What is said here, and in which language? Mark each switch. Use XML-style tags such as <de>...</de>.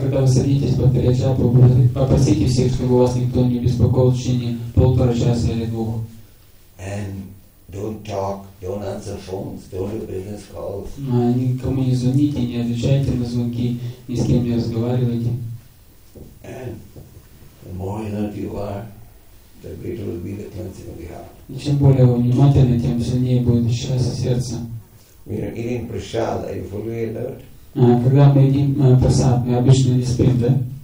<ru>Когда вы садитесь повторять джапу, попросите всех, чтобы вас никто не беспокоил в течение полтора часа или двух.</ru> <en>Don't talk, don't answer phones, don't do business calls.</en> <ru>Никому не звоните, не отвечайте на звонки, ни с кем не разговаривайте.</ru> <en>The more alert you are, the greater will be the cleansing of the heart.</en> <ru>И чем более вы внимательны, тем сильнее будет очищаться сердце.</ru> <en>We are eating prasad, are you fully alert?</en> <ru>Когда мы едим прасад, мы обычно не спим, да?</ru>